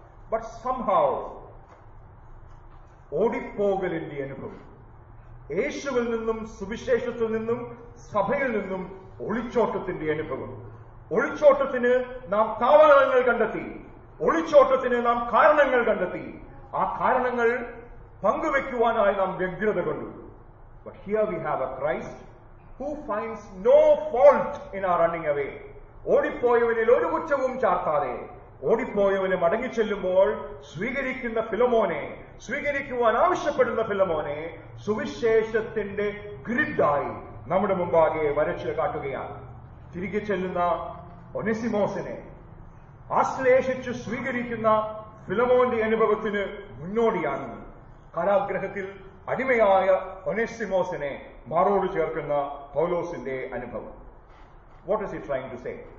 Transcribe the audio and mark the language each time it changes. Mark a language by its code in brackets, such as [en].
[en] but somehow [ml] ഓടിപ്പോകലിന്റെ അനുഭവം, യേശുവിൽ നിന്നും സുവിശേഷത്തിൽ നിന്നും സഭയിൽ നിന്നും ഒളിച്ചോട്ടത്തിന്റെ അനുഭവം. ഒളിച്ചോട്ടത്തിന് നാം താവളങ്ങൾ കണ്ടെത്തി, ഒളിച്ചോട്ടത്തിന് നാം കാരണങ്ങൾ കണ്ടെത്തി. ആ കാരണങ്ങൾ പങ്കുവെക്കുവാനായി നാം വ്യഗ്രത കണ്ടു. [en] But here we have a Christ who finds no fault in our running away. [ml] ഓടിപ്പോയവനിൽ ഒരു കുറ്റവും ചാർത്താതെ, ഓടിപ്പോയവനെ മടങ്ങി ചെല്ലുമ്പോൾ സ്വീകരിക്കുന്ന ഫിലമോനെ, സ്വീകരിക്കുവാൻ ആവശ്യപ്പെടുന്ന ഫിലമോനെ സുവിശേഷത്തിന്റെ ഗ്രിഡായി നമ്മുടെ മുമ്പാകെ വരച്ച് കാട്ടുകയാണ്. തിരികെ ചെല്ലുന്ന ഒനസിമോസിനെ ആശ്ലേഷിച്ച് സ്വീകരിക്കുന്ന ഫിലമോന്റെ അനുഭവത്തിന് മുന്നോടിയാണ് കാരാഗ്രഹത്തിൽ അടിമയായ ഒനസിമോസിനെ മാറോട് ചേർക്കുന്ന പൗലോസിന്റെ അനുഭവം. [en] What is he trying to say?